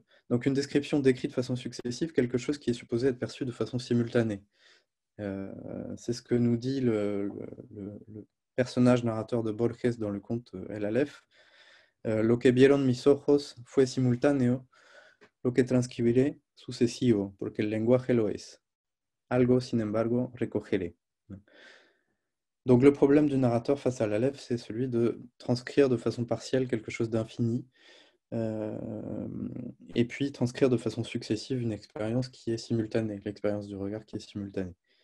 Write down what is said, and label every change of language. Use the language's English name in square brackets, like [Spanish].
[French] Donc une description décrit de façon successive quelque chose qui est supposé être perçu de façon simultanée. C'est ce que nous dit le personnage narrateur de Borges dans le conte El Aleph. [Spanish] « Lo que vieron mis ojos fue simultáneo. Lo que transcribiré sucesivo, porque el lenguaje lo es. Algo, sin embargo, recogeré. [French] » Donc, le problème du narrateur face à l'Aleph, c'est celui de transcrire de façon partielle quelque chose d'infini, et puis transcrire de façon successive une expérience qui est simultanée, l'expérience du regard qui est simultanée.